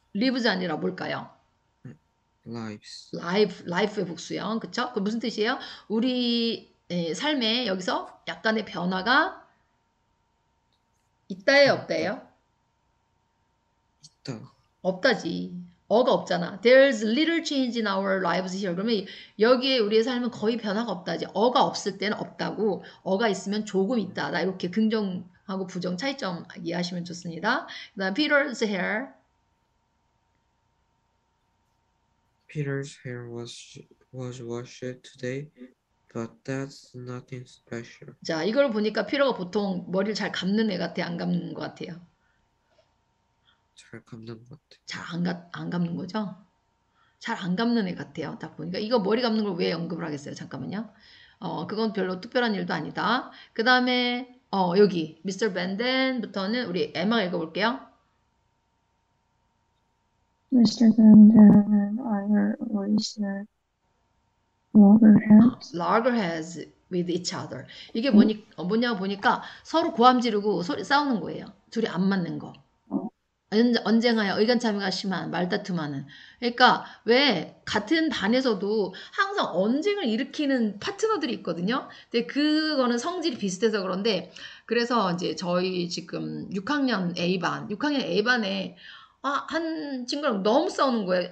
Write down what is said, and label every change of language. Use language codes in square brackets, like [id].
[ko] lives 아니라 뭘까요? [en] Lives. [ko] life의 복수형, 그쵸? 그 무슨 뜻이에요? 우리 삶에 여기서 약간의 변화가 있다예요, 없다예요? 있다. 없다지. 어가 없잖아. [en] There's little change in our lives here. [ko] 그러면 여기에 우리의 삶은 거의 변화가 없다지. 어가 없을 때는 없다고, 어가 있으면 조금 있다. 나 이렇게 긍정 하고 부정 차이점 이해하시면 좋습니다. 그다음 Peter's hair. [en] Peter's hair was washed today, but that's nothing special. [ko] 자, 이걸 보니까 피로가 보통 머리를 잘 감는 애 같아요? 안 감는 것 같아요? 잘 감는 것 같아. 잘안 감는 거죠? 잘안 감는 애 같아요. 딱 보니까. 이거 머리 감는 걸왜 언급을 하겠어요? 잠깐만요. 그건 별로 특별한 일도 아니다. 그 다음에 여기 미스터 밴덴부터는 우리 에마가 읽어볼게요. [en] Mr. Bandan, are your oyster loggerheads? Logger has with each other. [ko] 이게 뭐냐 보니까 서로 고함 지르고 소리 싸우는 거예요. 둘이 안 맞는 거. 언쟁하여 의견차이가 심한 말다툼하는. 그러니까 왜 같은 반에서도 항상 언쟁을 일으키는 파트너들이 있거든요. 근데 그거는 성질이 비슷해서 그런데 그래서 이제 저희 지금 6학년 A반, 6학년 A반에 한 친구랑 너무 싸우는 거예요.